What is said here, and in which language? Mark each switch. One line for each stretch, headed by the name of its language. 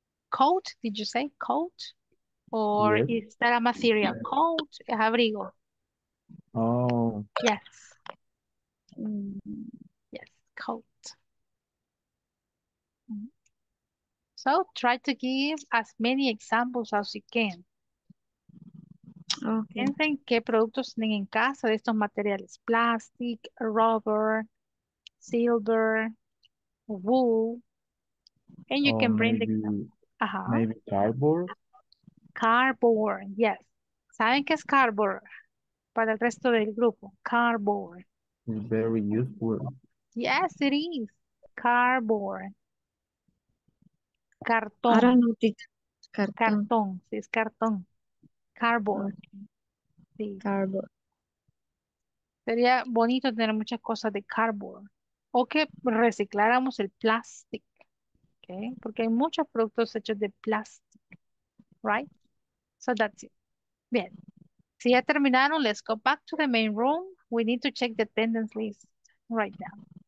English: Coat, did you say coat? Or yes. Is that a material?
Spanish: Coat, abrigo. Oh.
English: Yes. Yes, coat. So try to give as many examples as you can. Okay.
Spanish: Piensen qué productos tienen en casa de estos materiales.
English: Plastic, rubber, silver, wool. And you can bring maybe. The example. Uh-huh. Maybe cardboard. Cardboard, yes.
Spanish: ¿Saben qué es cardboard? Para el resto del grupo. Cardboard.
English: It's very useful. Yes, it is. Cardboard. Cartón.
Spanish: Cartón. Sí, es cartón. Cardboard. Sí.
English: Cardboard.
Spanish: Sería bonito tener muchas cosas de cardboard. O que recicláramos el plástico. Okay, porque hay muchos productos hechos de plástico, right?
English: So that's it. Bien.
Spanish: Si ya terminaron,
English: let's go back to the main room. We need to check the attendance list right now.